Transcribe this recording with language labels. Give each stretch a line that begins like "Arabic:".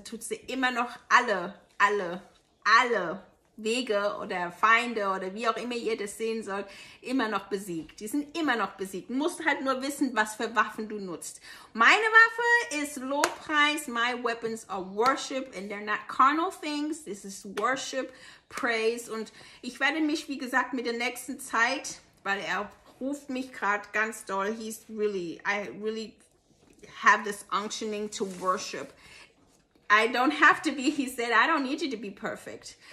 German: Er tut sie immer noch alle Wege oder Feinde oder wie auch immer ihr das sehen sollt, immer noch besiegt. Die sind immer noch besiegt. Du musst halt nur wissen, was für Waffen du nutzt. Meine Waffe ist Lobpreis.
English: My weapons are worship and they're not carnal things. This is worship, praise.
German: Und ich werde mich, wie gesagt, mit der nächsten Zeit, weil er ruft mich gerade ganz doll.
English: He's really, I really have this unctioning to worship. I don't have to be, he said, I don't need you to be perfect.